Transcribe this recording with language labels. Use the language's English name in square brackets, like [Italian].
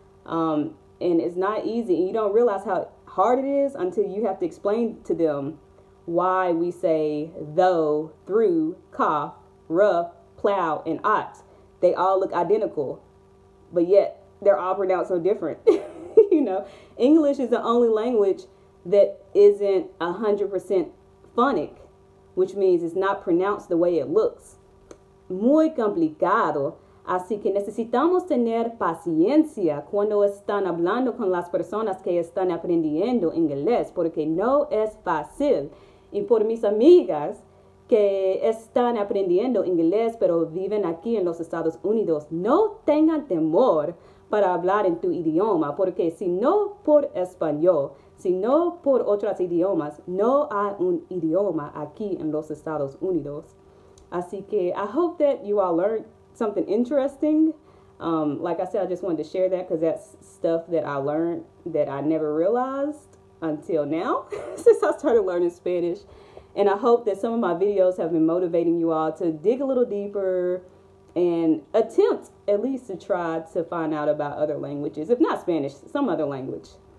[English] And it's not easy. And you don't realize how hard it is until you have to explain to them why we say though, through, cough, rough, plow, and ot. They all look identical, but yet they're all pronounced so different. You know, English is the only language that isn't 100% phonic, which means it's not pronounced the way it looks. [Spanish] Muy complicado. Así que necesitamos tener paciencia cuando están hablando con las personas que están aprendiendo inglés, porque no es fácil. Y por mis amigas que están aprendiendo inglés pero viven aquí en los Estados Unidos, no tengan temor para hablar en tu idioma, porque si no por español, si no por otros idiomas, no hay un idioma aquí en los Estados Unidos. Así que [English] I hope that you all learned something interesting. Like I said, I just wanted to share that because that's stuff that I learned that I never realized until now since I started learning Spanish. And I hope that some of my videos have been motivating you all to dig a little deeper and attempt at least to try to find out about other languages, if not Spanish, some other language.